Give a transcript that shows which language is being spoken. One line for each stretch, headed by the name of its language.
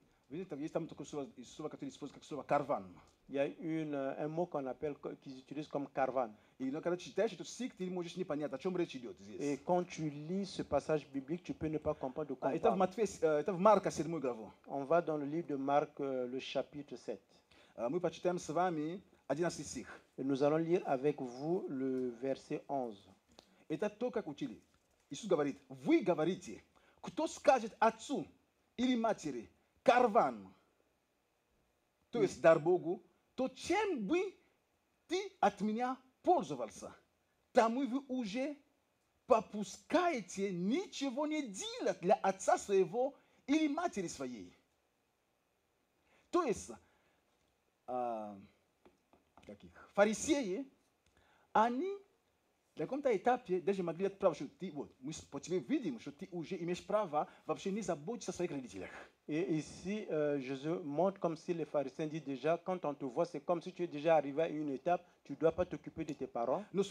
Russian: Есть там такое слово, которое используется как слово карван.
French: Il y a un mot qu'on appelle, qu'ils utilisent comme caravan. Et quand tu lis ce passage biblique, tu peux ne pas comprendre de quoi on parle. Et dans Marc, c'est le mot grave. On va dans le livre de Marc, le chapitre 7. Et nous allons lire avec vous le verset 11. Et
Russian: то, как учили. Иисус говорит, вы говорите, кто скажет отцу или матери, карван, то есть дар Богу, то чем бы ты от меня пользовался, там вы уже попускаете ничего не делать для отца своего или матери своей. То есть таких фарисеи, они на каком-то этапе даже могли отправить, что ты, вот, мы по тебе видим, что ты уже имеешь право вообще не заботиться о своих родителях.
French: Et ici, Jésus montre comme si les pharisiens disent déjà, quand on te voit, c'est comme si tu es déjà arrivé à une étape, tu ne dois pas t'occuper de tes parents.